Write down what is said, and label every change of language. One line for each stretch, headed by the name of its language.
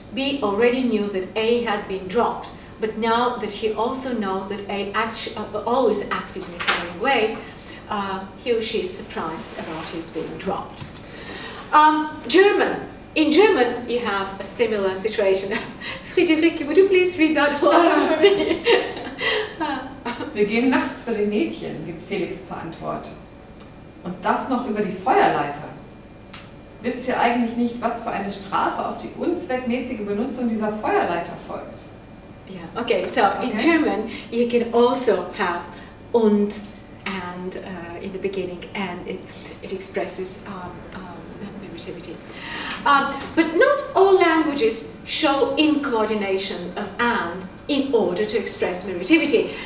English: B already knew that A had been dropped, but now that he also knows that A always acted in a caring way, he or she is surprised about his being dropped. German. In German, you have a similar situation. Friederike, would you please read that aloud for me?
German: Wir gehen nachts zu den Mädchen, gibt Felix zur Antwort. Und das noch über die Feuerleiter. Wisst ihr eigentlich nicht, was für eine Strafe auf die unzweckmäßige Benutzung dieser Feuerleiter folgt?
English: Yeah. Okay, so okay. In German you can also have und in the beginning, and it expresses memorativity. But not all languages show incoordination of and in order to express memorativity.